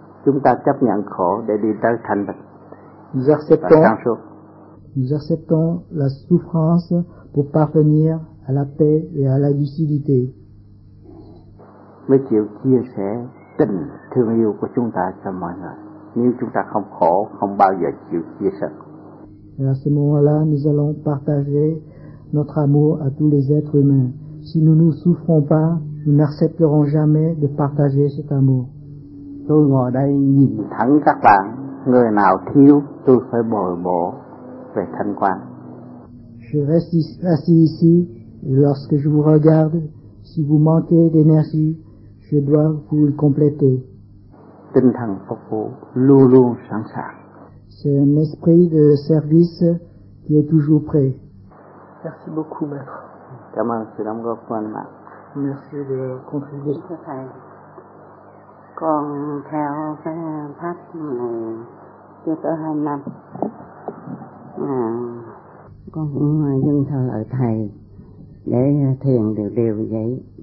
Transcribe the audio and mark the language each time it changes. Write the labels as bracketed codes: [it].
[vi] Chúng ta chấp nhận khổ để đi tới thành tựu. [fr] Nous acceptons la souffrance pour parvenir à la paix et à la lucidité. [vi] Mới chịu chia sẻ tình thương yêu của chúng ta cho mọi người. Nếu chúng ta không khổ, không bao giờ chịu chia sẻ. [fr] Et à ce moment-là, nous allons partager notre amour à tous les êtres humains. Si nous ne souffrons pas, nous n'accepterons jamais de partager cet amour. [vi] Tôi ngồi đây nhìn thẳng các bạn, người nào thiếu, tôi phải bồi bổ về thanh quan. [fr] Je reste assis ici, et lorsque je vous regarde, si vous manquez d'énergie, je dois vous le compléter. [vi] Tinh thần phục vụ luôn luôn sẵn sàng. [fr] C'est un esprit de service qui est toujours prêt. Merci beaucoup, maître. [vi] Cảm ơn sự đóng góp của anh Mạc. [fr] Merci de contribuer. [vi] Thưa thầy, con theo cái pháp này chưa tới 2 năm. Con cũng dâng theo lời thầy để thiền đều đều vậy.